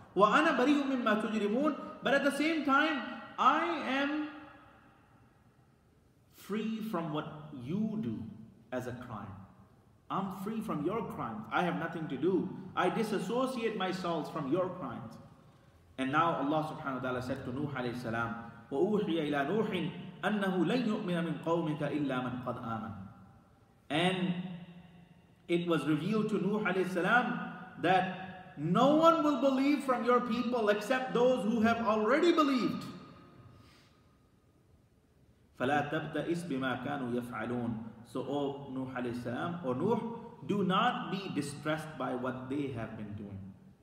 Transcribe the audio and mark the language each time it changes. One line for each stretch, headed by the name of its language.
Arabic: وَأَنَا بَرِيُّ مِمَّا تُجْرِمُونَ.
English: But at the same time, I am free from what you do as a crime. I'm free from your crimes. I have nothing to do. I disassociate myself from your crimes. And now Allah subhanahu wa ta'ala said to Nuh alayhi salam,
Arabic: وَأُوحِيَ إِلَىٰ نُوحٍ أَنَّهُ لَنْ يُؤْمِنَ مِنْ قَوْمِكَ إِلَّا مَنْ قَدْ آمَنَ.
English: And it was revealed to Nuh alayhi salam that no one will believe from your people except those who have already believed.
Arabic: فَلَا تَبْتَئِسْ بِمَا كَانُوا يَفْعَلُونَ.
English: So, oh Nuh alayhi salam, or Nuh, do not be distressed by what they have been doing.